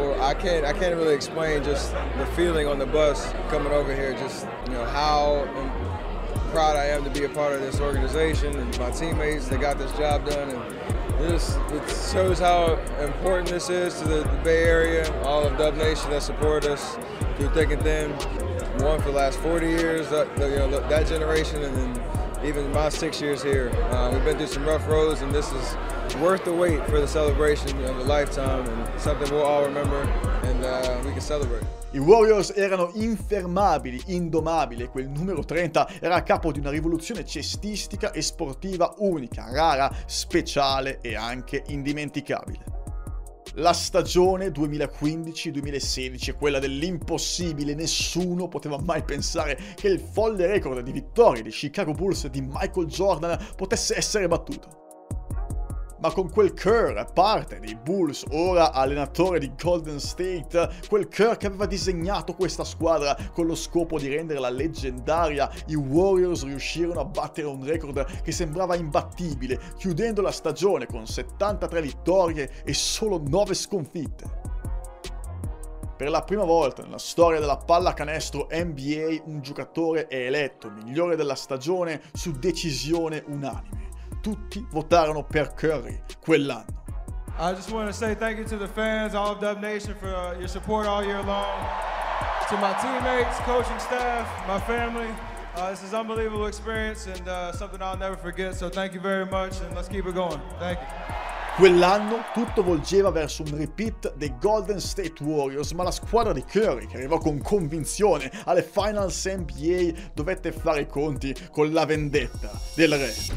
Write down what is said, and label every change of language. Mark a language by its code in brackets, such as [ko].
[en] I can't really explain just the feeling on the bus coming over here, just you know how proud I am to be a part of this organization and my teammates that got this job done, and it shows how important this is to the Bay Area, all of Dub Nation that supported us through thick and thin, one for the last 40 years, that generation, and then even my 6 years here. We've been through some rough roads, and this is worth the wait for the celebration of a lifetime and something we'll all remember and we can celebrate. [it] I Warriors erano infermabili, indomabili, quel numero 30 era a capo di una rivoluzione cestistica e sportiva unica, rara, speciale e anche indimenticabile. La stagione 2015-2016 è quella dell'impossibile. Nessuno poteva mai pensare che il folle record di vittorie di Chicago Bulls di Michael Jordan potesse essere battuto. Ma con quel Kerr, parte dei Bulls, ora allenatore di Golden State, quel Kerr che aveva disegnato questa squadra con lo scopo di renderla leggendaria, i Warriors riuscirono a battere un record che sembrava imbattibile, chiudendo la stagione con 73 vittorie e solo 9 sconfitte. Per la prima volta nella storia della pallacanestro NBA, un giocatore è eletto migliore della stagione su decisione unanime. Tutti votarono per Curry quell'anno. [en] I just want to say thank you to the fans, all of Dub Nation, for your support all year long. To my teammates, coaching staff, my family. This is an unbelievable experience and something I'll never forget. So thank you very much and let's keep it going. Thank you. [it] Quell'anno tutto volgeva verso un repeat dei Golden State Warriors, ma la squadra di Curry, che arrivò con convinzione alle Finals NBA, dovette fare i conti con la vendetta del re.